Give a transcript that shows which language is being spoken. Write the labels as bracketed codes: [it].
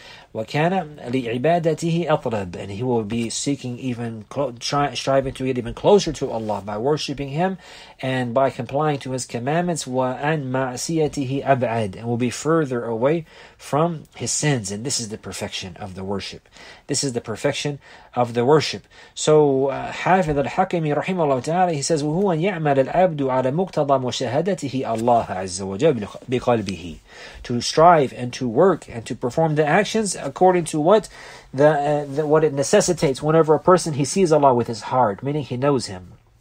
[ar] Wa kana li'ibadatihi atlab, [en] and he will be seeking even, striving to get even closer to Allah by worshipping Him and by complying to His commandments. [ar] Wa an ma'siyatihi ab'ad, [en] and will be further away from his sins. And this is the perfection of the worship. This is the perfection of the worship. So, Hafidh al-Hakimi rahimahullah ta'ala, he says, [ar] وَهُوَ يَعْمَلَ الْعَبْدُ عَلَى مُقْتَضَى مُشَهَدَتِهِ اللَّهَ عَزَّ وَجَبْلُ بِقَلْبِهِ. [en] To strive and to work and to perform the actions according to what it necessitates whenever a person, he sees Allah with his heart, meaning he knows Him.